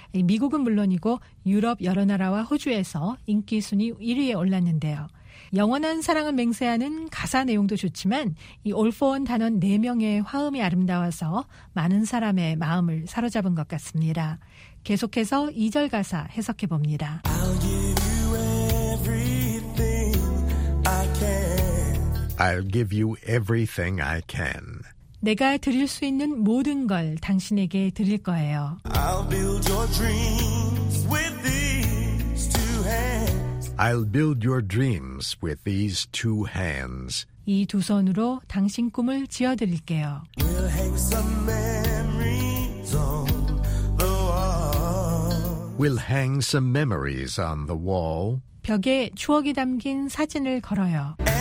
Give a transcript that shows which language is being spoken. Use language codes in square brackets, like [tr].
[ko] 미국은 물론이고 유럽 여러 나라와 호주에서 인기 순위 1위에 올랐는데요. 영원한 사랑을 맹세하는 가사 내용도 좋지만 이 All for One 단원 4명의 화음이 아름다워서 많은 사람의 마음을 사로잡은 것 같습니다. 계속해서 2절 가사 해석해봅니다. [en] I'll give you everything I can. I'll give you everything I can. [ko] 내가 드릴 수 있는 모든 걸 당신에게 드릴 거예요. [en] I'll build your dreams with these two hands. I'll build your dreams with these two hands. [ko] 이 두 손으로 당신 꿈을 지어 드릴게요. [en] We'll hang some memories on the wall. We'll hang some memories on the wall. [ko] 벽에 추억이 담긴 사진을 걸어요.